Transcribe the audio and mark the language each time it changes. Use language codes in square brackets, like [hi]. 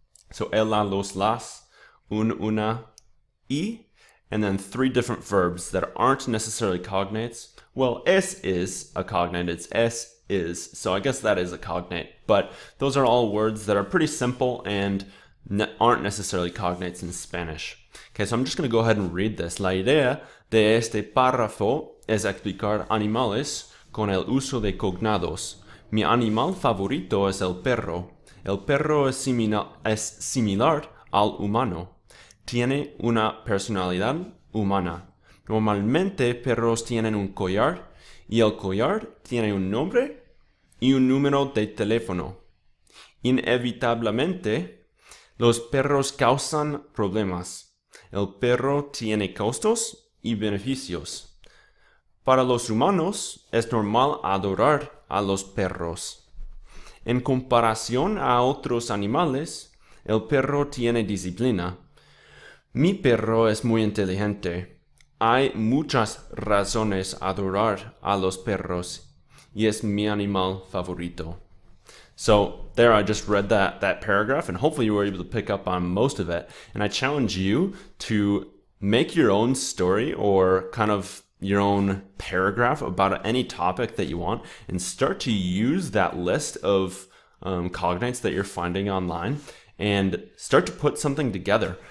[en] So ella, los, las, un, una, y, and then three different verbs that aren't necessarily cognates. Well, es is a cognate, it's es, is. So I guess that is a cognate, but those are all words that are pretty simple and aren't necessarily cognates in Spanish. Okay, so I'm just going to go ahead and read this. [es] La idea de este párrafo es explicar animales con el uso de cognados. Mi animal favorito es el perro. El perro es similar al humano. Tiene una personalidad humana. Normalmente perros tienen un collar. Y el collar tiene un nombre y un número de teléfono. Inevitablemente, los perros causan problemas. El perro tiene costos y beneficios. Para los humanos, es normal adorar a los perros. En comparación a otros animales, el perro tiene disciplina. Mi perro es muy inteligente. Hay muchas razones a adorar a los perros, y es mi animal favorito. [en] So there, I just read that paragraph, and hopefully you were able to pick up on most of it. And I challenge you to make your own story or kind of your own paragraph about any topic that you want, and start to use that list of cognates that you're finding online, and start to put something together.